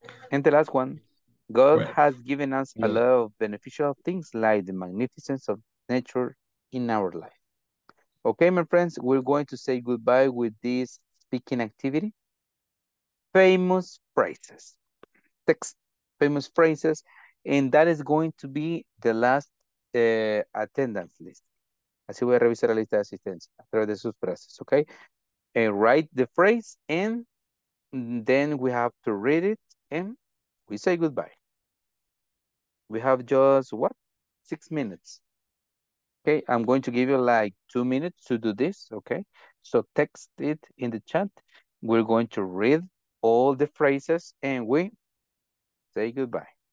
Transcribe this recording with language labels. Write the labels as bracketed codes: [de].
[en] And the last one, God has given us a lot of beneficial things like the magnificence of nature in our life. Okay, my friends, we're going to say goodbye with this speaking activity. Famous phrases. Text famous phrases. And that is going to be the last attendance list. [es] Así voy a revisar la lista de asistencia a través de sus frases, okay? [en] And write the phrase, and then we have to read it, and we say goodbye. We have just, 6 minutes. Okay, I'm going to give you like 2 minutes to do this, okay? So text it in the chat. We're going to read all the phrases and we say goodbye.